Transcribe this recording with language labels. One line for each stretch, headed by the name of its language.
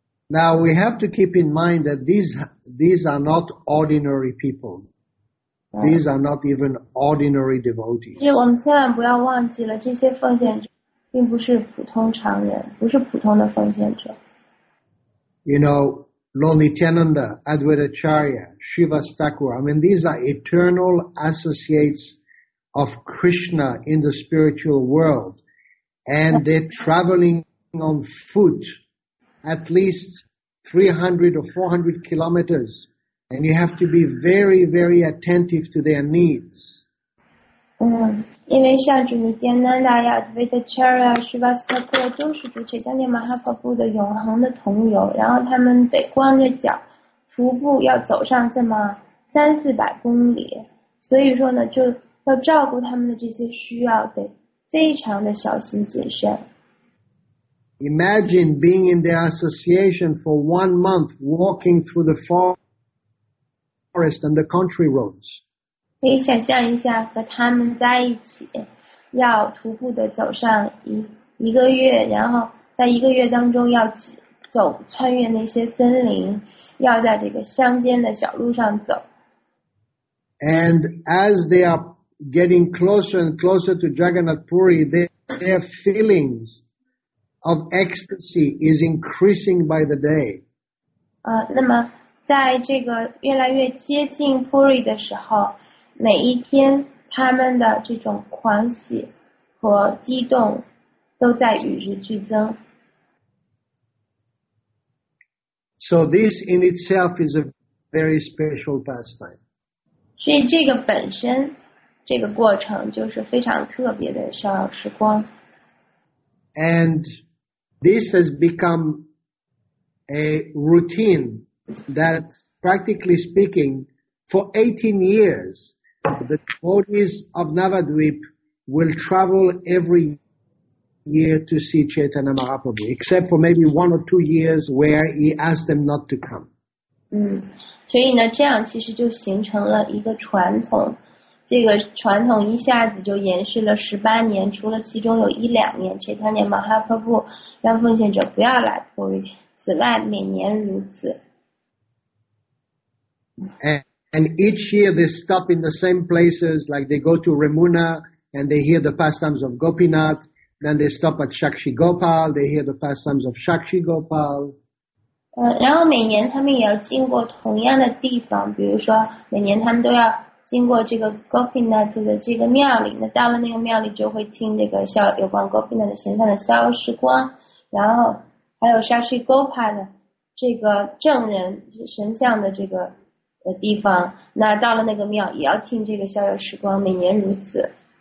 English: Now we have to keep in mind that these are not ordinary people. These are not even ordinary devotees.
Chinese: 是，我们千万不要忘记了，这些奉献者并不是普通常人，不是普通的奉献者。
English: You know, Lord Nityananda, Advaita Acharya, Shiva Thakur, I mean, these are eternal associates of Krishna in the spiritual world, and they're traveling on foot at least 300 or 400 kilometers, and you have to be very, very attentive to their needs.
Chinese: 因为像主 Nityananda, Advaita Acharya, Shiva Thakur 都是主持当年马哈佛布的永恒的同游，然后他们得光着脚徒步要走上这么三四百公里，所以说呢就要照顾他们的这些需要，得非常的小心谨慎。
English: Imagine being in their association for 1 month, walking through the forest and the country roads.
Chinese: 可以想象一下和他们在一起，要徒步的走上一个月，然后在一个月当中要走穿越那些森林，要在这个乡间的小路上走。
English: And as they are getting closer and closer to Jagannath Puri, their feelings of ecstasy is increasing by the day.
Chinese: 那么在这个越来越接近 Puri 的时候，每一天他们的这种狂喜和激动都在与日俱增。
English: So this in itself is a very special pastime.
Chinese: 所以这个本身这个过程就是非常特别的逍遥时光。
English: And this has become a routine that, practically speaking, for 18 years, the devotees of Navadvip will travel every year to see Chaitanya Mahaprabhu, except for maybe 1 or 2 years where he asked them not to come.
Chinese: 所以呢，这样其实就形成了一个传统。这个传统一下子就延续了十八年，除了其中有一两年，其他年马哈佛布让奉献者不要来普里，此外每年如此。
English: And each year they stop in the same places, like they go to Ramuna and they hear the pastimes of Gopinath, then they stop at Shakshi Gopal, they hear the pastimes of Shakshi Gopal.
Chinese: 然后每年他们也要经过同样的地方，比如说每年他们都要经过这个 Gopinath 的这个庙里，那到了那个庙里就会听这个有关 Gopinath 的形象的逍遥时光，然后还有 Shakshi Gopal 的这个证人神像的这个地方，那到了那个庙也要听这个逍遥时光，每年如此。